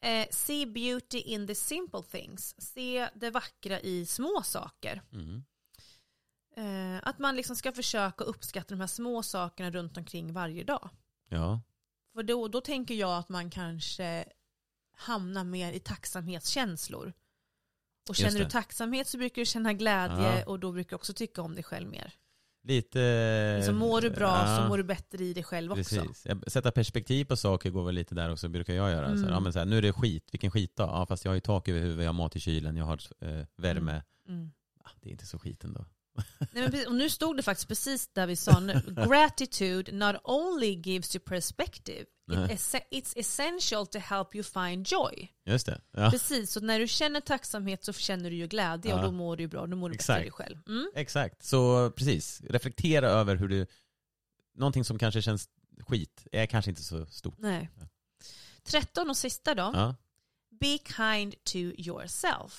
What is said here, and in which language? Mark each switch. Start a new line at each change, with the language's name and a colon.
English: See beauty in the simple things.
Swedish: Se det vackra i små saker. Att man liksom ska försöka uppskatta de här små sakerna runt omkring varje dag. Ja. För då tänker jag att man kanske hamnar mer i tacksamhetskänslor. Och känner du tacksamhet så brukar du känna glädje och då brukar du också tycka om dig själv mer. Lite... Liksom, mår du bra så mår du bättre i dig själv precis. Också. Sätta perspektiv på saker går väl lite där också, brukar jag göra. Så här, ja, men så här, nu är det skit, vilken skit då? Ja, fast jag har ju tak över huvudet, jag har mat i kylen, jag har värme. Ja, det är inte så skit ändå. Nej, men precis, och nu stod det faktiskt precis där vi sa nu.
English: Gratitude not only gives you perspective. It's essential to help you find joy.
Swedish: Just det. Ja. Precis, så när du känner tacksamhet så känner du ju glädje och då mår du ju bra, då mår du bättre dig själv. Exakt, så precis. Reflektera över hur du... Någonting som kanske känns skit är kanske inte så stort. Nej. 13 och sista då. Ja.
English: Be kind to yourself.